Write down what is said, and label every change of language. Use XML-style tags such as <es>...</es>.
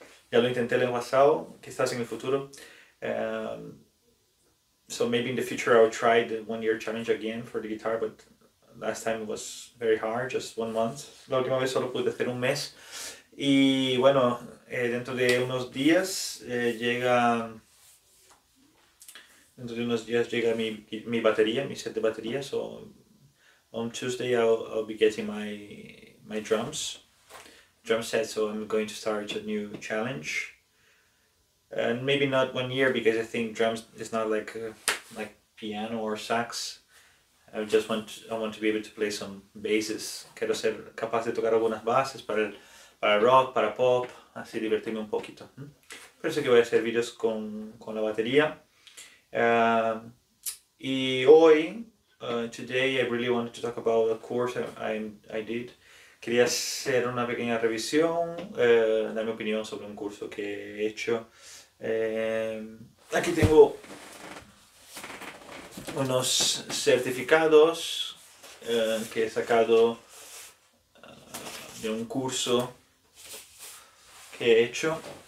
<es>Ya lo intenté el año pasado, quizás en el futuro.</es> <en>So maybe in the future I'll try the 1 year challenge again for the guitar, but last time it was very hard, just 1 month.</en> <es>La última vez solo pude hacer 1 mes. Y bueno, dentro de unos días llega mi batería, mi set de baterías.</es> <en>So on Tuesday I'll be getting my drum set. So I'm going to start a new challenge. And maybe not 1 year because I think drums is not like piano or sax. I want to be able to play some bases.</en> <es>Quiero ser capaz de tocar algunas bases para rock, para pop, así divertirme un poquito. Por eso que voy a hacer videos con la batería. Y hoy,</es> <en>today, I really wanted to talk about a course I did.</en> <es>Quería hacer una pequeña revisión, dar mi opinión sobre un curso que he hecho. Aquí tengo unos certificados que he sacado de un curso que he hecho.</es>